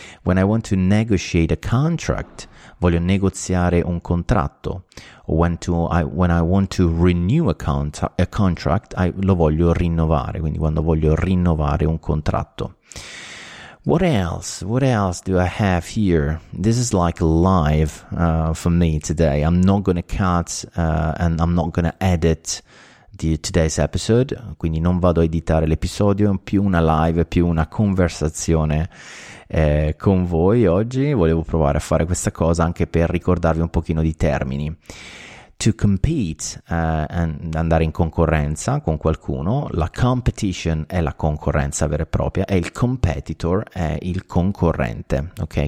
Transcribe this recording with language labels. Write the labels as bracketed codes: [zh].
[en] When I want to negotiate a contract, [it] voglio negoziare un contratto. [en] When I want to renew a contract, [it] lo voglio rinnovare, quindi quando voglio rinnovare un contratto. [en] What else? What else do I have here? This is like live for me today. I'm not going to cut and I'm not going to edit the today's episode. [it] Quindi non vado a editare l'episodio, più una live, più una conversazione con voi oggi. Volevo provare a fare questa cosa anche per ricordarvi un pochino di termini. [en] To compete, [it] and andare in concorrenza con qualcuno, la competition è la concorrenza vera e propria, e il competitor è il concorrente, ok?